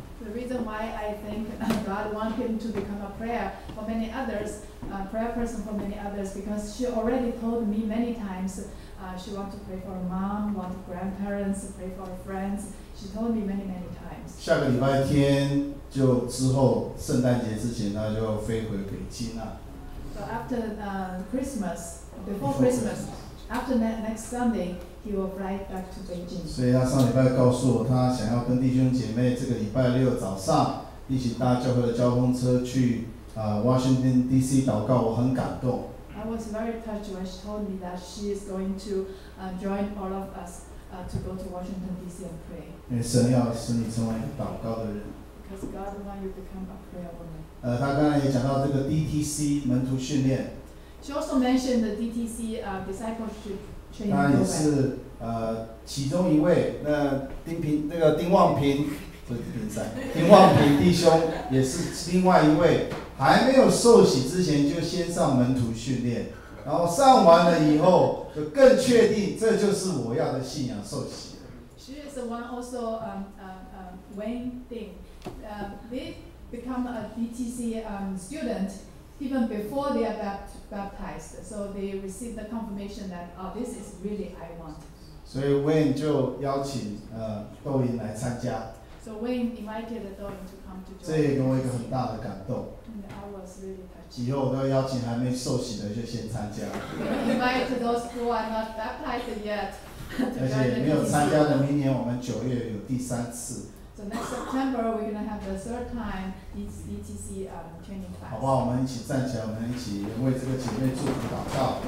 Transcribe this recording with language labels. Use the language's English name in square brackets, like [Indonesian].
[English] The reason why I think God wants him to become a prayer for many others, a prayer person for many others, because she already told me many times, she wants to pray for her mom, want grandparents, pray for her friends. She told me many times. [Chinese] 下个礼拜天就之后圣诞节之前，他就飞回北京了。 [English] So after Christmas, before Christmas. After that next Sunday, he will fly back to Beijing. [Chinese] 所以他上礼拜告诉我，他想要跟弟兄姐妹这个礼拜六早上一起搭教会的交通车去Washington DC 祷告，我很感动。 [English] I was very touched when she told me that she is going to join all of us to go to Washington DC and pray. [Chinese] 因为神要使你成为祷告的人。 [English] Because God wants you to become a prayer woman. [Chinese] 他刚才也讲到这个DTC 门徒训练。 [English] She also mentioned the DTC discipleship training program. [Chinese] 那也是其中一位，那丁平那个丁旺平，不是丁三，丁旺平弟兄也是另外一位，还没有受洗之前就先上门徒训练，然后上完了以后就更确定这就是我要的信仰受洗。 [English] She is the one also Wayne Ding. They become a DTC student even before they are baptized. So they receive the confirmation that, oh, this is really I want. So [Chinese] Wayne 就邀请 Dou Ying 来参加. [English] So Wayne invited Dou Ying to come to join. [Chinese] 这也给我一个很大的感动. [English] And I was really touched. [Chinese] 以后我都要邀请还没受洗的就先参加. [English] Invite those who are not baptized yet. [Chinese] 而且没有参加的，明年我们九月有第三次。 [English] So next September we're gonna have the third time DTC training class. [Chinese] 好吧，我们一起站起来，我们一起为这个姐妹祝福祷告。